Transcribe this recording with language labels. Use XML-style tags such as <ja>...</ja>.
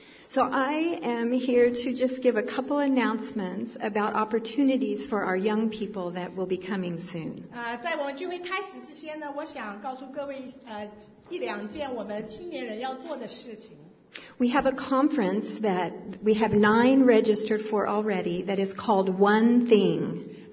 <en>So I am here to just give a couple announcements about opportunities for our young people that will be coming soon.</en> <zh>在我们聚会开始之前呢，我想告诉各位一两件我们青年人要做的事情。</zh> <en>We have a conference that we have 9 registered for already that is called One Thing.</en>